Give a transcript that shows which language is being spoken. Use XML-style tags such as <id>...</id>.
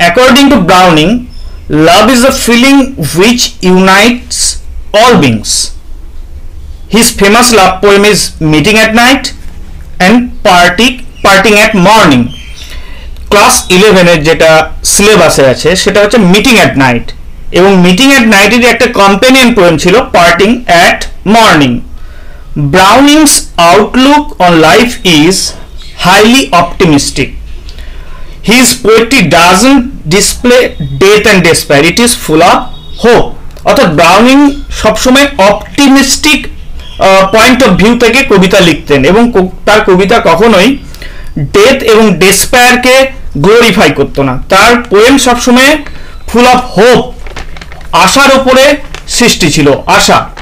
<en>According to Browning, love is a feeling which unites all beings. His famous love poem is Meeting at Night and Parting at Morning.</en> <bn>Class 11 এর যেটা সিলেবাসে আছে সেটা হচ্ছে Meeting at Night, এবং Meeting at Night এর একটা</bn> <en>companion poem</en> <bn>ছিল Parting at Morning.</bn> <en>Browning's outlook on life is highly optimistic. His poetry doesn't display death and despair, it is full of hope.</en> <bn>অর্থাৎ ব্রাউনিং সবসময়</bn> <en>optimistic point of view</en> <bn>থেকে কবিতা লিখতেন এবং তার কবিতা কখনোই</bn> <en>death এবং ডেসপায়ারকে glorify</en> <bn>করত না। তার পোয়েম সবসময়</bn> <en>full of hope,</en> <bn>আশার ওপরে সৃষ্টি ছিল, আশা।</bn>